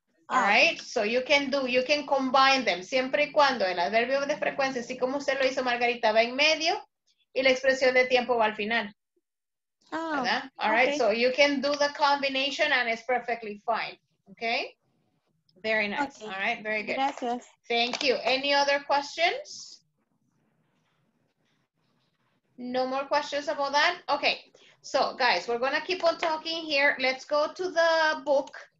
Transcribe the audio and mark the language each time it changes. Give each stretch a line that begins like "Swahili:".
English: Alright, so you can do, you can combine them.
Spanish: Siempre y cuando el adverbio de frecuencia, así como usted lo hizo Margarita, va en medio y la expresión de tiempo va al final. Oh,
English: alright, okay. So you can do the combination and it's perfectly fine. Okay, very nice. Okay. Alright, very good.
Spanish: Gracias.
English: Thank you. Any other questions? No more questions about that? Okay, so guys, we're going to keep on talking here. Let's go to the book.